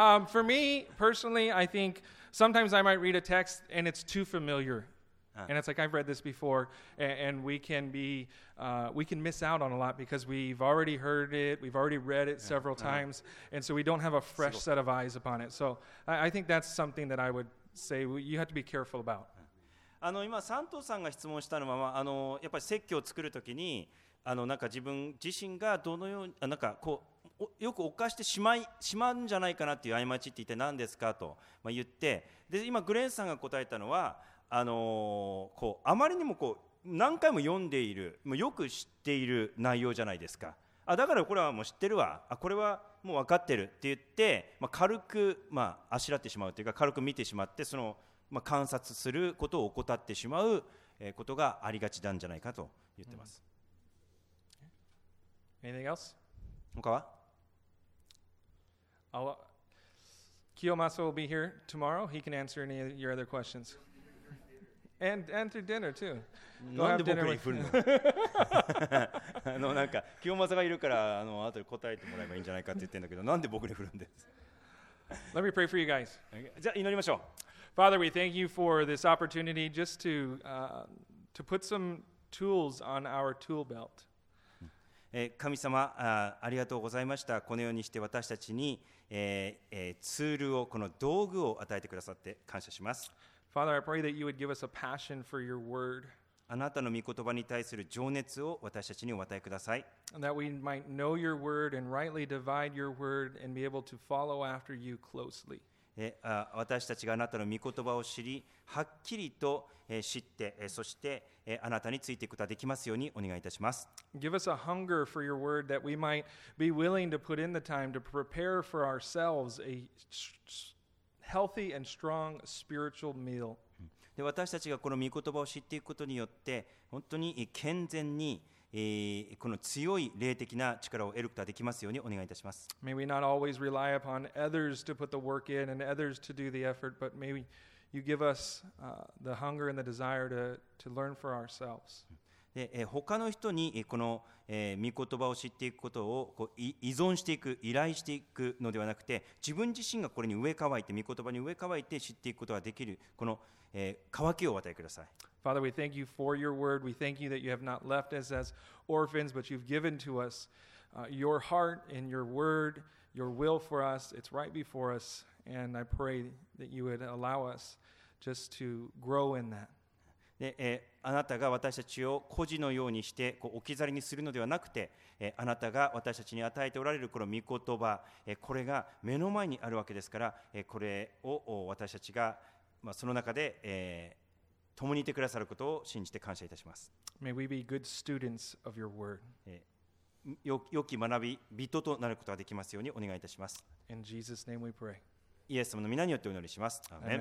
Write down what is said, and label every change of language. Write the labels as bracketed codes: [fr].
[en] For me, personally, I think sometimes I might read a text and it's too familiar. And it's like, I've read this before, and we can miss out on a lot because we've already heard it, we've already read it several times, and so we don't have a fresh set of eyes upon it. So I think that's something that I would say you have to be careful about. [ja] 今、サントさんが質問したのは、やっぱり説教を作るときに、なんか自分自身がどのように、なんかこう、よく犯してしまうんじゃないかなっていう過ちって一体何ですかと、言って、で今、グレンさんが答えたのは、こうあまりにもこう何回も読んでいる、もうよく知っている内容じゃないですか。あだからこれはもう知ってるわ、あこれはもう分かってるって言って、軽く、あしらってしまうというか軽く見てしまってその、観察することを怠ってしまうことがありがちなんじゃないかと言ってます、 [en] Anything else? [ja] 他は [en] Kiyomasa will be here tomorrow. He can answer any of your other questions. And to dinner too. [ja] なんで僕に振るの？なんか清正がいるから後で答えてもらえばいいんじゃないかって言ってんだけど、なんで僕に振るんです？ [en] Let me pray for you guys. [ja] じゃあ祈りましょう。 [en] Father, we thank you for this opportunity just to put some tools on our tool belt. [ja] 神様、ありがとうございました。このようにして私たちに、ツールを、この道具を与えてくださって感謝します。 [en] Father, I pray that you would give us a passion for your word. [ja] あなたの御言葉に対する情熱を私たちにお与えください。 [en] And that we might know your word and rightly divide your word and be able to follow after you closely. [ja] 私たちがあなたの御言葉を知り、はっきりと知って、そしてあなたについていくことができますようにお願いいたします。 [en] Give us a hunger for your word that we might be willing to put in the time to prepare for ourselves a healthy and strong spiritual meal. [ja] で、私たちがこの御言葉を知っていくことによって、本当に健全に、この強い霊的な力を得ることができますようにお願いいたします。 [en] May we not always rely upon others to put the work in and others to do the effort, but may we... You give us, the hunger and the desire to learn for ourselves. [ja] で、他の人にこの、御言葉を知っていくことをこう依存していく、依頼していくのではなくて、自分自身がこれに飢え渇いて、御言葉に飢え渇いて知っていくことができる、この、渇きをお与えください。 [en] Father, we thank you for your word. We thank you that you have not left us as orphans, but you've given to us, your heart and your word, your will for us. It's right before us. And I pray that you would allow us just to grow in that. [ja] あなたが私たちを孤児のようにしてこう置き去りにするのではなくて、あなたが私たちに与えておられるこの御言葉、これが目の前にあるわけですから、これを私たちが、その中で、共にいてくださることを信じて感謝いたします。 [en] May we be good students of your word. [ja] よき学び人となることができますようにお願いいたします。 [en] In Jesus' name we pray. [ja] イエス様の皆によってお祈りします。アーメン。